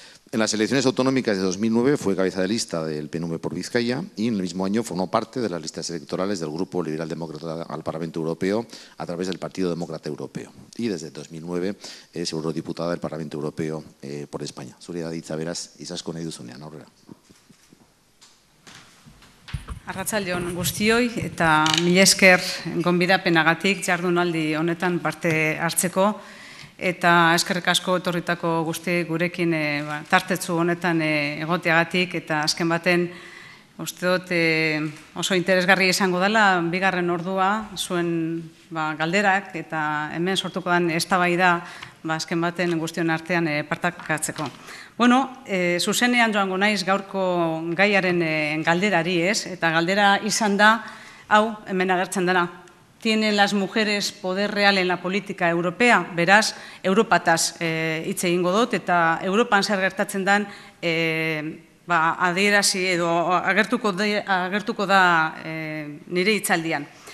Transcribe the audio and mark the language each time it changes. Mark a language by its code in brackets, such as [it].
[es] En las elecciones autonómicas de 2009 fue cabeza de lista del PNV por Vizcaya y en el mismo año formó parte de las listas electorales del Grupo Liberal Demócrata al Parlamento Europeo a través del Partido Demócrata Europeo. Y desde 2009 es eurodiputada del Parlamento Europeo por España. [eu] Zuria ditza, beraz, Izaskun Bilbao. Arratsaldeon guztioi eta mil esker gonbidapenagatik jardunaldi honetan parte hartzeko. Eta eskerrik asko etorritako guzti gurekin tartetzu honetan egoteagatik, eta azken baten uste dut oso interesgarri izango dela bigarren ordua zuen galderak eta hemen sortuko den eztabaida azken baten guztion artean partakatzeko. Bueno, zuzenean joango naiz gaurko gaiaren galderari, ez? Eta galdera izan da hau hemen agertzen dena. [es] ¿Tienen las mujeres poder real en la política europea? [eu] Beraz, Europataz hitz egingo dut, eta Europan zer gertatzen den adierazi edo agertuko da nire hitzaldian.